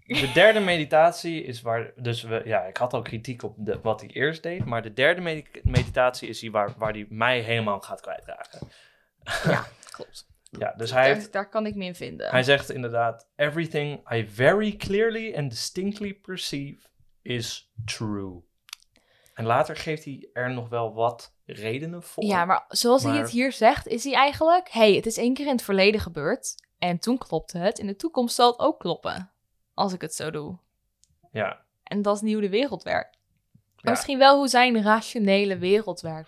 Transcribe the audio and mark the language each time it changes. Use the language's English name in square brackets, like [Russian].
[Dutch] De derde meditatie is waar... Dus we, ja, ik had al kritiek op de, wat hij eerst deed. Maar de derde meditatie is die waar hij mij helemaal gaat kwijtraken. Ja, klopt. Ja, dus hij heeft, daar kan ik me in vinden. Hij zegt inderdaad... [English] Everything I very clearly and distinctly perceive is true. [Dutch] En later geeft hij er nog wel wat redenen voor. Ja, maar zoals hij het hier zegt, is hij eigenlijk... Hey, het is één keer in het verleden gebeurd. En toen klopte het. In de toekomst zal het ook kloppen. Als ik het zo doe. Ja. En dat is niet hoe de wereld werkt. Ja. Misschien wel hoe zijn rationele wereld werkt.